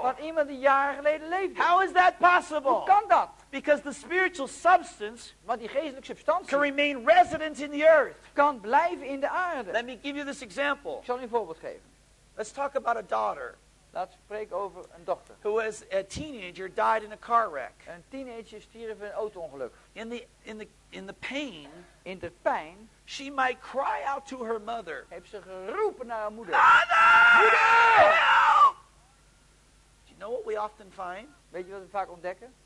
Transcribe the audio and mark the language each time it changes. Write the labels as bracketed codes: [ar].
[nl] Van iemand die jaren geleden leefde. [en] How is that possible? [nl] Hoe kan dat? [en] Because the spiritual substance, [nl] want die geestelijke substantie, [en] can remain resident in the earth. [nl] Kan blijven in de aarde. [en] Let me give you this example. [nl] Ik zal u een voorbeeld geven. [en] Let's talk about a daughter. [nl] Laten we spreken over een dochter. [en] Who was a teenager died in a car wreck. [nl] Een teenager stierf in een auto-ongeluk. [en] In the pain. [nl] In de pijn. [en] She might cry out to her mother. [nl] Heeft ze geroepen naar haar moeder. [en] Mother! Help! Do you know what we often find? [nl] Weet je wat we vaak ontdekken?